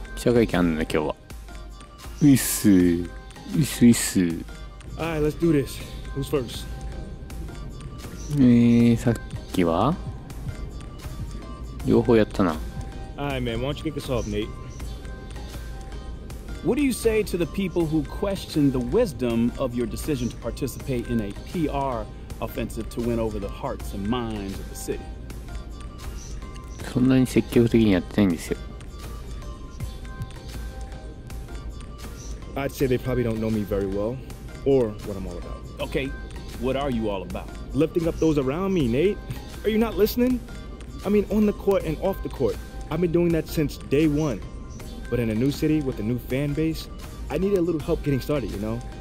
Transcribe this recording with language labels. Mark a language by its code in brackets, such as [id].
[ja] 記者会見あんのね、今日は。ウィッスー。ウィッスー、ウィッスー。 [en] はい、let's do this. Who's first? [ja] さっきは両方やったな。 [en] はい、man, why don't you kick us off, Nate? What do you say to the people who question the wisdom of your decision to participate in a PR offensive to win over the hearts and minds of the city? [ja] そんなに積極的にやってないんですよ。 [en] I'd say they probably don't know me very well, or what I'm all about. Okay, what are you all about? Lifting up those around me, Nate. Are you not listening? I mean, on the court and off the court. I've been doing that since day one. But in a new city with a new fan base, I needed a little help getting started, you know?